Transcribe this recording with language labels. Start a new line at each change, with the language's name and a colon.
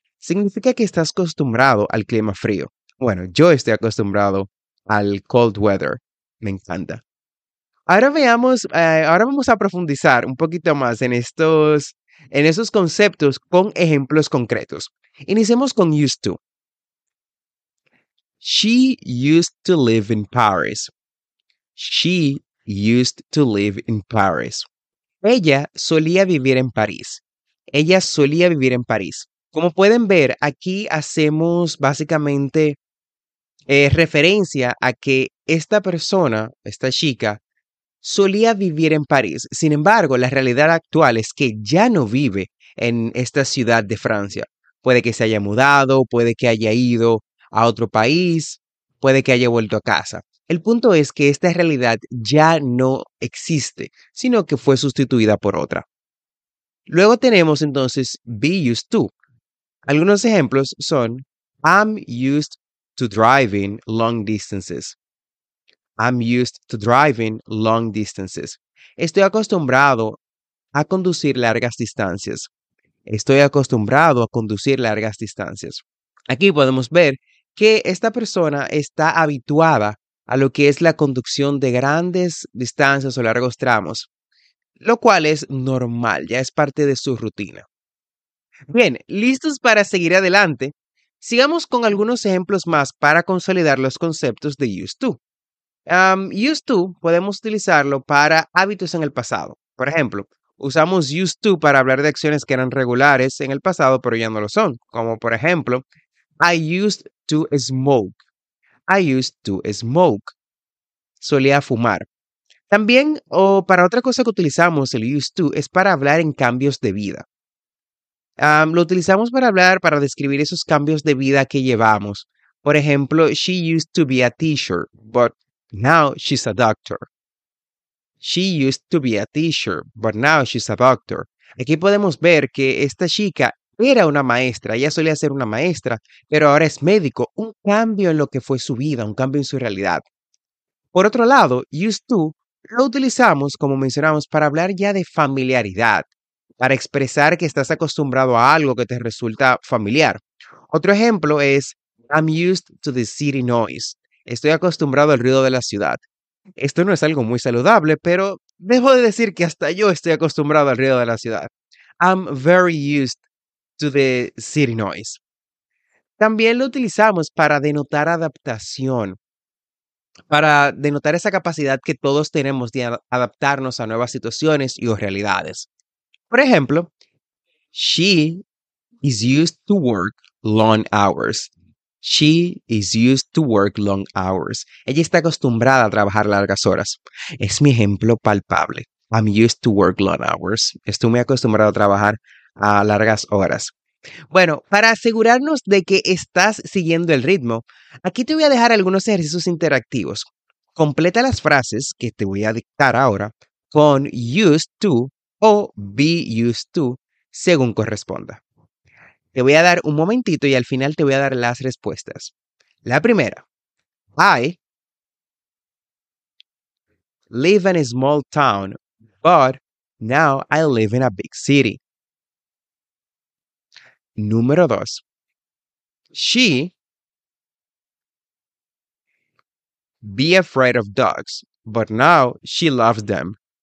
Spanish: Significa que estás acostumbrado al clima frío. Bueno, yo estoy acostumbrado al
English: cold weather.
Spanish: Me encanta. Ahora veamos, ahora vamos a profundizar un poquito más en esos conceptos con ejemplos concretos. Iniciemos con used to.
English: She used to live in Paris. She used to live in Paris.
Spanish: Ella solía vivir en París. Ella solía vivir en París. Como pueden ver, aquí hacemos básicamente referencia a que esta persona, esta chica, solía vivir en París. Sin embargo, la realidad actual es que ya no vive en esta ciudad de Francia. Puede que se haya mudado, puede que haya ido a otro país, puede que haya vuelto a casa. El punto es que esta realidad ya no existe, sino que fue sustituida por otra. Luego tenemos entonces be used to. Algunos ejemplos son
English: I'm used to driving long distances. I'm used to driving long distances.
Spanish: Estoy acostumbrado a conducir largas distancias. Estoy acostumbrado a conducir largas distancias. Aquí podemos ver que esta persona está habituada a lo que es la conducción de grandes distancias o largos tramos, lo cual es normal, ya es parte de su rutina. Bien, listos para seguir adelante, sigamos con algunos ejemplos más para consolidar los conceptos de used to. Used to podemos utilizarlo para hábitos en el pasado. Por ejemplo, usamos used to para hablar de acciones que eran regulares en el pasado, pero ya no lo son. Como por ejemplo,
English: I used to smoke. I used to smoke.
Spanish: Solía fumar. También, o para otra cosa que utilizamos el used to, es para hablar en cambios de vida. Lo utilizamos para describir esos cambios de vida que llevamos. Por ejemplo,
English: she used to be a teacher, but now she's a doctor. She used to be a teacher, but now she's a doctor.
Spanish: Aquí podemos ver que esta chica era una maestra, ella solía ser una maestra, pero ahora es médico. Un cambio en lo que fue su vida, un cambio en su realidad. Por otro lado, used to lo utilizamos, como mencionamos, para hablar ya de familiaridad, para expresar que estás acostumbrado a algo que te resulta familiar. Otro ejemplo es,
English: I'm used to the city noise.
Spanish: Estoy acostumbrado al ruido de la ciudad. Esto no es algo muy saludable, pero debo de decir que hasta yo estoy acostumbrado al ruido de la ciudad.
English: I'm very used to the city noise.
Spanish: También lo utilizamos para denotar adaptación, para denotar esa capacidad que todos tenemos de adaptarnos a nuevas situaciones y o realidades. Por ejemplo,
English: she is used to work long hours. She is used to work long hours.
Spanish: Ella está acostumbrada a trabajar largas horas. Es mi ejemplo palpable.
English: I'm used to work long hours.
Spanish: Estoy muy acostumbrado a trabajar a largas horas. Bueno, para asegurarnos de que estás siguiendo el ritmo, aquí te voy a dejar algunos ejercicios interactivos. Completa las frases que te voy a dictar ahora con used to o be used to, según corresponda. Te voy a dar un momentito y al final te voy a dar las respuestas. La primera.
English: I live in a small town, but now I live in a big city.
Spanish: Número dos.
English: She be afraid of dogs, but now she loves them.